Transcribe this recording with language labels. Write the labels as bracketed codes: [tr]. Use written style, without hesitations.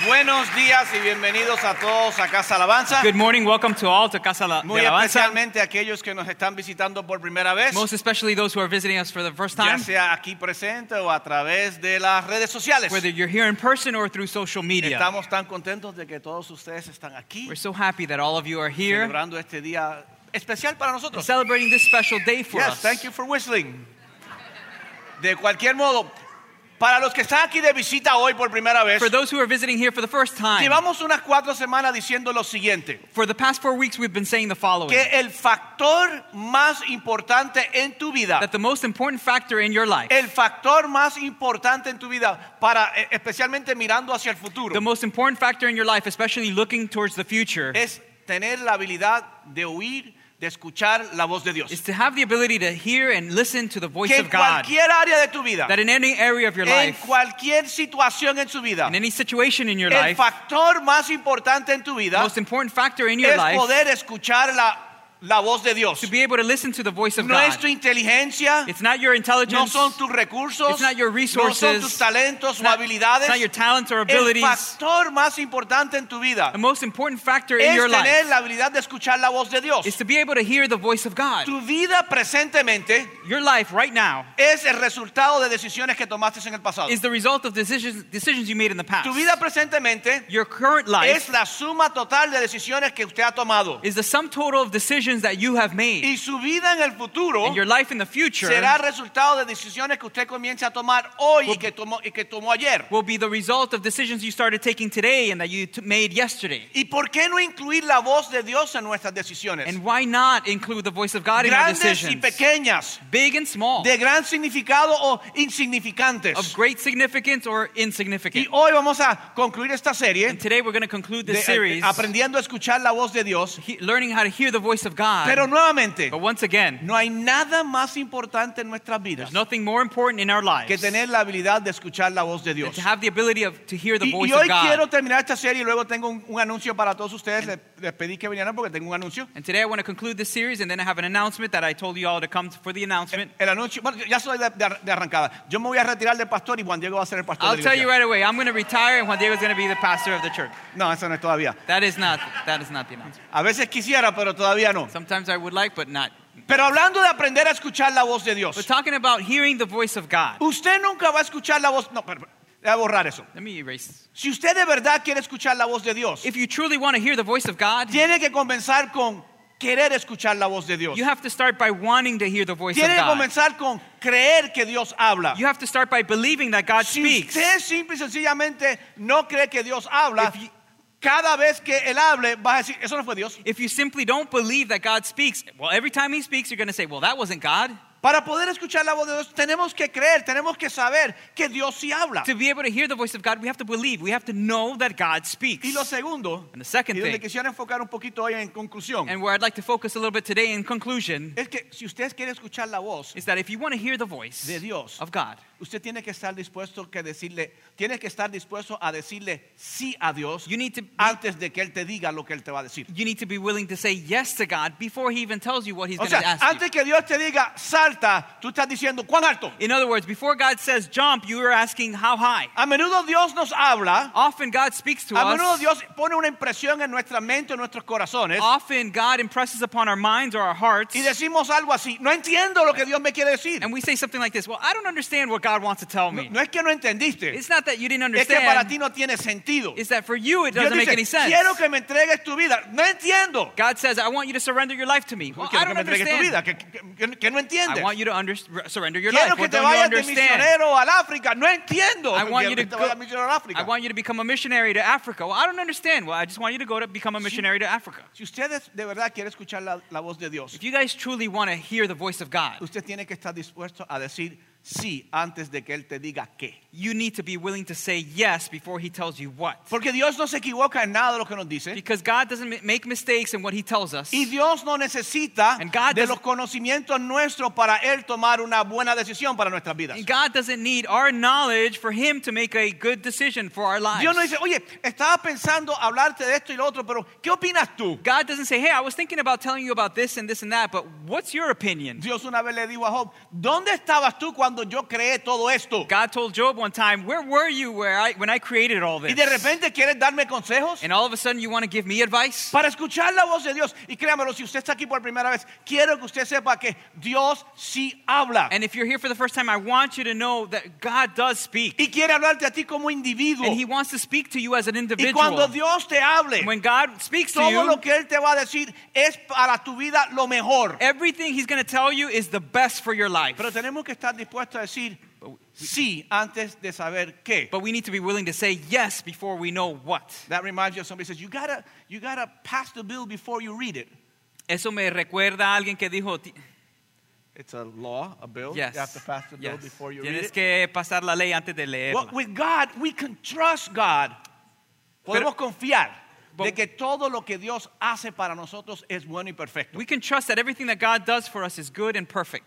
[es] Buenos días y bienvenidos a todos a Casa Alabanza. [en] Good morning, welcome to all to Casa Alabanza. [es] Muy especialmente aquellos que nos están visitando por primera vez. [en] Most especially those who are visiting us for the first time. [es] Ya sea aquí presente o a través de las redes sociales. [en] Whether you're here in person or through social media. [es] Estamos tan contentos de que todos ustedes están aquí. [en] We're so happy that all of you are here. [es] Celebrando este día especial para nosotros. [en] Celebrating this special day for us. Yes, thank you for whistling. [es] De cualquier modo, para los que están aquí de visita hoy por primera vez, [en] for those who are visiting here for the first time, [es] llevamos unas cuatro semanas diciendo lo siguiente. [en] For the past 4 weeks, we've been saying the following. [es] Que el factor más importante en tu vida, [en] that the most important factor in your life, [es] el factor más importante en tu vida, para especialmente mirando hacia el futuro, [en] the most important factor in your life, especially looking towards the future, [es] es tener la habilidad de oír, de escuchar la voz de Dios. [en] Is to have the ability to hear and listen to the voice [es] que [en] of God. [es] En cualquier área de tu vida, [en] that in any area of your [es] en [en] life, [es] cualquier situación en su vida, [en] in any situation in your [es] el [en] life, [es] factor más importante en tu vida, [en] the most important factor in your [es] es [en] life, [es] poder escuchar la voz de Dios. [en] To be able to listen to the voice of [es] no [en] God. [es] Es tu inteligencia, [en] it's not your intelligence. [es] No son tus recursos, [en] it's not your resources. [es] No son tus talentos o habilidades, [en] it's not your talents or abilities. [es] El factor más importante en tu vida, [en] the most important factor [es] es [en] in your [es] tener la habilidad de escuchar la voz de Dios. [en] Is to be able to hear the voice of God. [es] Tu vida presentemente, [en] your life right now, [es] es el resultado de decisiones que tomaste en el pasado. [en] Is the result of decisions you made in the past. [es] Tu vida presentemente, [en] your current life, [es] es la suma total de decisiones que usted ha tomado. [en] Is the sum total of decisions that you have made. [es] Y su vida en el futuro, [en] and your life in the future, [es] será resultado de decisiones que usted comience a tomar hoy y que tomó ayer. [en] Will be the result of decisions you started taking today and that you made yesterday. [es] ¿Y por qué no incluir la voz de Dios en nuestras decisiones? [en] And why not include the voice of God [es] grandes [en] in our decisions? [es] Grandes y pequeñas, [en] big and small, [es] de gran significado o insignificantes, [en] of great significance or insignificant. [es] Y hoy vamos a concluir esta serie. [en] And today we're going to conclude this series. [es] Aprendiendo a escuchar la voz de Dios, [en] learning how to hear the voice of God. [es] Pero nuevamente, [en] but once again, [es] no hay nada más importante en nuestras vidas, [en] there's nothing more important in our lives [es] que tener la habilidad de escuchar la voz de Dios, [en] than to have the ability to hear the voice [es] y hoy [en] of God. [es] Quiero terminar esta serie y luego tengo un anuncio para todos ustedes. Les pedí que vinieran porque tengo un anuncio. [en] And today I want to conclude this series and then I have an announcement that I told you all to come for the announcement. [es] El anuncio, bueno, ya soy de arrancada. Yo me voy a retirar del pastor y Juan Diego va a ser el pastor. [en] I'll tell you right away, I'm going to retire and Juan Diego is going to be the pastor of the church. [es] No, eso no es todavía. [en] That is not the announcement. [es] A veces quisiera, pero todavía no. [en] Sometimes I would like, but not. [es] Pero hablando de aprender a escuchar la voz de Dios. [en] We're talking about hearing the voice of God. [es] Usted nunca va a escuchar la voz. No, pero voy a borrar eso. [en] Let me erase. [es] Si usted de verdad quiere escuchar la voz de Dios, [en] if you truly want to hear the voice of God, [es] tiene que comenzar con querer escuchar la voz de Dios. [en] You have to start by wanting to hear the voice [es] tiene Tiene que comenzar con creer que Dios habla. [en] You have to start by believing that God [es] si [en] speaks. [es] Si usted simple y sencillamente no cree que Dios habla, cada vez que él hable, vas a decir, eso no fue Dios. [en] If you simply don't believe that God speaks, well, every time he speaks, you're going to say, well, that wasn't God. [es] Para poder escuchar la voz de Dios, tenemos que creer, tenemos que saber que Dios sí habla. [en] To be able to hear the voice of God, we have to believe, we have to know that God speaks. [es] Y lo segundo, [en] and the second thing, [es] y donde quisiera enfocar un poquito hoy en conclusión, [en] and where I'd like to focus a little bit today in conclusion, [es] es que si ustedes quieren escuchar la voz, [en] is that if you want to hear the voice [es] de Dios, [en] of God, [es] usted tiene que estar dispuesto que decirle, tiene que estar dispuesto a decirle sí a Dios, [en] you need to be, [es] antes de que él te diga lo que él te va a decir. [en] You need to be willing to say yes to God before he even tells you what he's going to ask. [es] O sea, antes [en] you [es] que Dios te diga salta, tú estás diciendo cuán alto. [en] In other words, before God says jump, you are asking how high. [es] A menudo Dios nos habla. [en] Often God speaks to us. [es] A menudo Dios pone una impresión en nuestra mente, en nuestros corazones. [en] Often God impresses upon our minds or our hearts. [es] Y decimos algo así, no entiendo lo que Dios me quiere decir. [en] And we say something like this, well, I don't understand what God wants to tell me. [es] No es que no entendiste. [en] It's not that you didn't understand. [es] Es que para ti no tiene sentido. [en] It's that for you it doesn't [es] dice, [en] make any sense. [es] Quiero que me entregues tu vida. No entiendo. [en] God says, I want you to surrender your life to me. Well, I don't understand. [es] Tu vida. Que no entiendes. [en] I want you to surrender your [es] quiero [en] life. [es] Que te vayas de misionero al África. No entiendo. [en] I want you to become a missionary to Africa. Well, I don't understand. Well, I just want you to go to become a missionary to Africa. [es] Si ustedes de verdad quieren escuchar la voz de Dios, [en] if you guys truly want to hear the voice of God, [es] usted tiene que estar dispuesto a decir sí, antes de que él te diga qué. [en] You need to be willing to say yes before he tells you what. [es] Porque Dios no se equivoca en nada de lo que nos dice. [en] Because God doesn't make mistakes in what he tells us. [es] Y Dios no necesita de los conocimientos nuestros para él tomar una buena decisión para nuestras vidas. [en] God doesn't need our knowledge for him to make a good decision for our lives. [es] Dios no dice, oye, estaba pensando hablarte de esto y lo otro, pero ¿qué opinas tú? [en] God doesn't say, hey, I was thinking about telling you about this and this and that, but what's your opinion? [es] Dios una vez le dijo a Job, ¿dónde estabas tú cuando cuando yo creé todo esto. [en] God told Job one time, where were you when I created all this? [es] Y de repente quieres darme consejos. [en] And all of a sudden you want to give me advice? [es] Para escuchar la voz de Dios. Y créamelo, si usted está aquí por primera vez, quiero que usted sepa que Dios sí habla. [en] And if you're here for the first time, I want you to know that God does speak. [es] Y quiere hablarte a ti como individuo. [en] And he wants to speak to you as an individual. [es] Y cuando Dios te hable, [en] when God speaks [es] todo [en] to you, [es] lo que él te va a decir es para tu vida lo mejor. [en] Everything he's going to tell you is the best for your life. [es] Pero tenemos que estar dispuestos a decir sí antes de saber qué. [en] But we need to be willing to say yes before we know what. That reminds you of somebody who says, you gotta pass the bill before you read it. [es] Eso me recuerda a alguien que dijo... [en] It's a law, a bill. Yes. You have to pass the bill before you [es] tienes [en] read it. [es] Tienes que pasar la ley antes de leerla. [en] Well, with God, we can trust God. [es] Podemos confiar. De que todo lo que Dios hace para nosotros es bueno y perfecto. [en] We can trust that everything that God does for us is good and perfect.